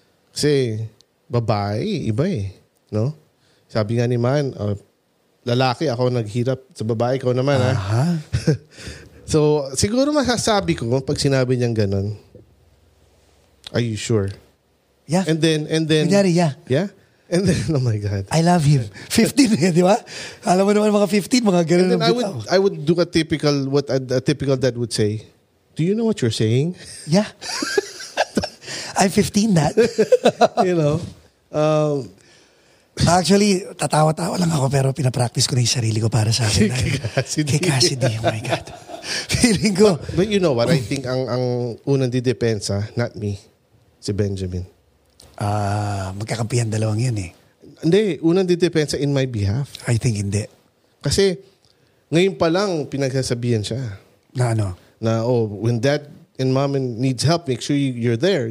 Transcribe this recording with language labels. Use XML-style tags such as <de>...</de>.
<tl>Kasi babae, iba eh. No? Sabi nga ni Man, lalaki ako naghirap. Sa babae ko naman, uh-huh. Ha? So, siguro masasabi ko pag sinabi niyang ganun,</tl> <en>are you sure? Yeah. And then.</en> <tl>Kunyari, yeah.</tl> <en>Yeah? And then, oh my God. I love him. 15,</en> <tl>di ba? Alam mo naman mga 15, mga ganun.</tl> <en>And then I would do a typical, what a typical dad would say, do you know what you're saying? Yeah. I'm 15, dad. You know?</en> <tl>Actually, tatawa-tawa lang ako pero pinapractice ko na yung sarili ko para sa akin. Kay Cassidy.</tl> <en>Oh my God. Feeling ko. But you know what? I think</en> <tl>ang unang didepensa,</tl> <en>not me, si Benjamin.</en> <tl>Magkakampihan dalawang yun eh. Hindi, unang didepensa</tl> <en>in my behalf. I think hindi.</en> <tl>Kasi ngayon pa lang pinagsasabihan siya. Na ano?</tl> <en>Na oh, when dad and mom needs help, make sure you're there.</en>